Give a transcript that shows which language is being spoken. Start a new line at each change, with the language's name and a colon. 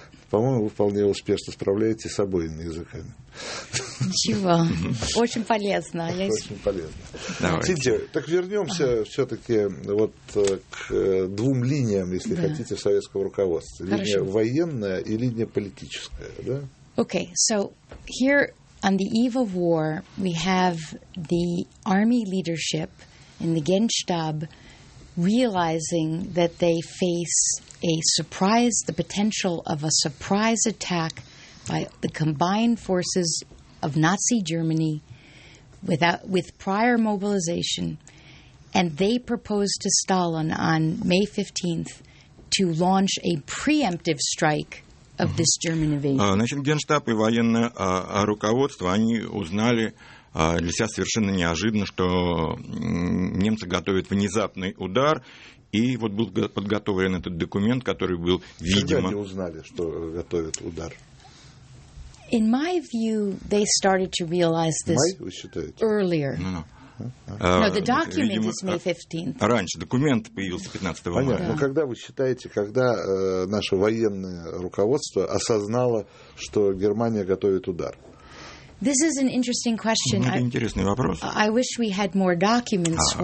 Russian: По-моему, вы вполне успешно справляетесь с обоими языками. Ничего. Очень полезно. Очень полезно. Синтия, так вернемся все-таки вот к двум линиям, если хотите, советского руководства. Линия военная и линия политическая.
English: Okay, so here on the eve of war we have the army leadership in the Генштаб realizing that they face a surprise, the potential of a surprise attack by the combined forces of Nazi Germany with prior mobilization, and they propose to Stalin on May 15th to launch a preemptive strike of this German invasion.
Russian: Значит, Генштаб и военное руководство, они узнали для себя совершенно неожиданно, что немцы готовят внезапный удар, и вот был подготовлен этот документ, который был, видимо... Когда они узнали, что готовят удар?
English: In my view, they started to realize this earlier. No, the document is May 15th.
Russian: Раньше документ появился 15 мая. Понятно. Но когда вы считаете, когда наше военное руководство осознало, что Германия готовит удар?
English: This is an interesting question.
Russian: Это интересный вопрос.
English: I wish we had more documents.